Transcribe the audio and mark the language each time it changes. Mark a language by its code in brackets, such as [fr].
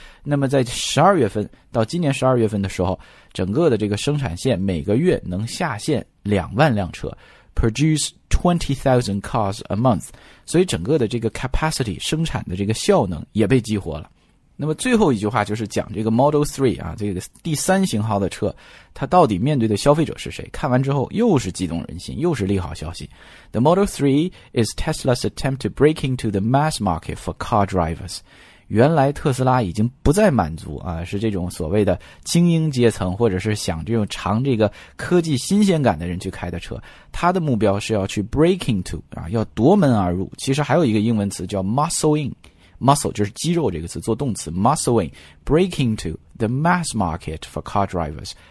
[zh] 那么在12月份到今年12月份的时候整个的这个生产线每个月能下线2万辆车 , [en] produce 20,000 cars a month. [zh] 所以整个的这个 capacity, 生产的这个效能也被激活了。那么最后一句话就是讲这个 Model 3, 啊这个第三型号的车它到底面对的消费者是谁看完之后又是激动人心又是利好消息。 [en] The Model 3 is Tesla's attempt to break into the mass market for car drivers. [zh] 原来特斯拉已经不再满足啊是这种所谓的精英阶层或者是想这种尝这个科技新鲜感的人去开的车。他的目标是要去 break into, 啊要夺门而入。其实还有一个英文词叫 muscle in。muscle 就是肌肉这个词做动词 ,muscle in, [en] break into the mass market for car drivers.